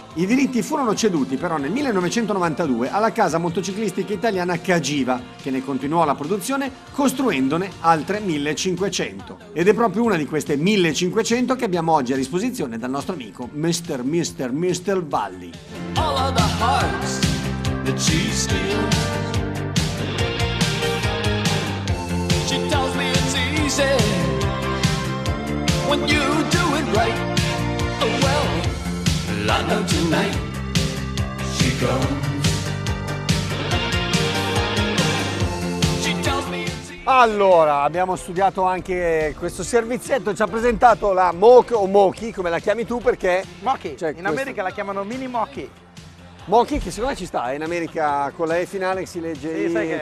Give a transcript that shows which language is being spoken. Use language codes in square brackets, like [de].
[it] I diritti furono ceduti però nel 1992 alla casa motociclistica italiana Cagiva, che ne continuò la produzione costruendone altre 1.500. Ed è proprio una di queste 1.500 che abbiamo oggi a disposizione dal nostro amico Mr. Valli. [en] All of the hearts that she steals. She tells me it's easy when you do it right. Oh well, I know tonight she comes. [it] Allora, abbiamo studiato anche questo servizietto, ci ha presentato la Moke o Moki, come la chiami tu, perché Moki, cioè in questo. America la chiamano Mini Moki. Moki, che secondo me ci sta, in America con la E finale si legge, sì, sai che